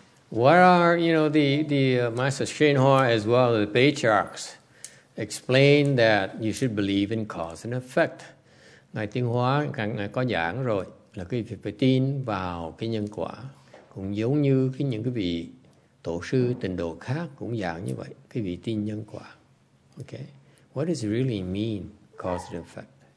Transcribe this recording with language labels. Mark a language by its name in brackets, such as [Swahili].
[English] What are, you know, the Master Shenhua as well as the patriarchs explain that you should believe in cause and effect. [Vietnamese] Ngài Tiên Hóa có giảng rồi là quý vị phải tin vào cái nhân quả. Cũng giống như cái những cái vị tổ sư tịnh độ khác cũng giảng như vậy. Quý vị tin nhân quả. Okay. [English] What does it really mean, cause and effect?